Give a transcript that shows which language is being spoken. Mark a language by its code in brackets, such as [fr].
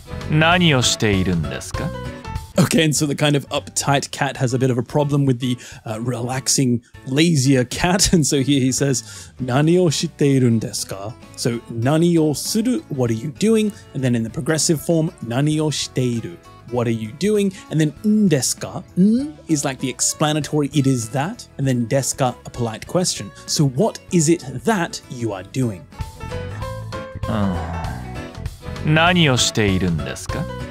[ja] 何をしているんですか? [en] Okay, and so the kind of uptight cat has a bit of a problem with the relaxing, lazier cat. And so here he says, [ja] 何をしているんですか? [en] So, [ja] 何をする? [en] What are you doing? And then in the progressive form, [ja] 何をしている? [en] What are you doing? And then, [ja] んですか? [en] ん?Is like the explanatory, it is that. And then, ですか?A polite question. So, what is it that you are doing? [ja] 何をしているんですか?